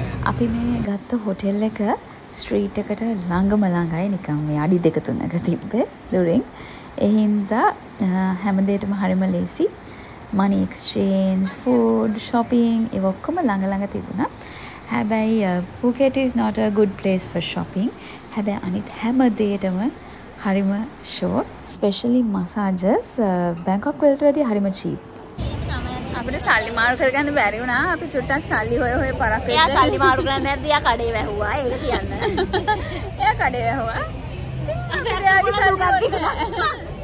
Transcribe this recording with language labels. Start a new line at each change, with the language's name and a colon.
Sinhala: අපි මේ ගත්ත හොටෙල් එක ස්ට්‍රීට් එකට ළඟම ළඟයි නිකන් මේ අඩි දෙක තුනක තිබ්බේ දුරින්. එහෙනම් හැමදේටම හරිම ලේසි. මනි එක්ස්චේන්ජ්, ෆුඩ්, ෂොපින් ඒ ඔක්කොම ළඟ ළඟ තිබුණා.
English: හැබැයි Phuket is not a good place for shopping.
Sinhala: හැබැයි අනිත් හැම දෙයකටම හරිම ෂෝ. ස්පෙෂලි මසාජස් බැංකොක් වලට වඩා හරිම චීප්. අපිට සල්ලි මාරු කරගන්න බැරි වුණා. අපි චුට්ටක් සල්ලි හොය හොය පරක් වෙච්චා. එයා සල්ලි මාරු කරන්න නැද්ද? එයා කඩේ වැහුවා. ඒක කියන්න. එයා කඩේ වැහුවා. අපිට එයාගේ සල්ලි ගන්න.